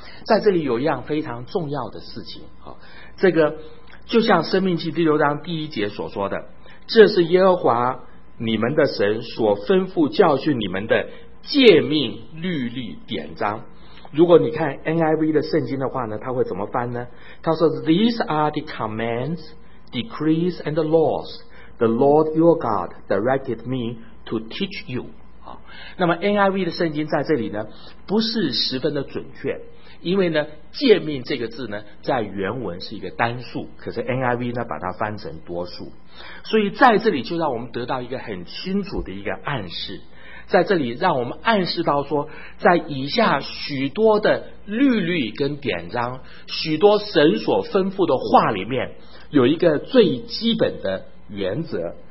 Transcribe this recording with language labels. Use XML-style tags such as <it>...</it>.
<zh>在这里有一样非常重要的事情，这个就像生命记第六章第一节所说的，这是耶和华你们的神所吩咐教训你们的诫命律例典章。如果你看 NIV 的圣经的话呢，它会怎么翻呢？</zh> <en>它说 These are the commands, decrees and laws the Lord your God directed me to teach you。</en> <zh>那么 NIV 的圣经在这里呢不是十分的准确，因为呢诫命这个字呢在原文是一个单数，可是 NIV 呢把它翻成多数。所以在这里就让我们得到一个很清楚的一个暗示，在这里让我们暗示到说，在以下许多的律例跟典章，许多神所吩咐的话里面，有一个最基本的原则。</zh>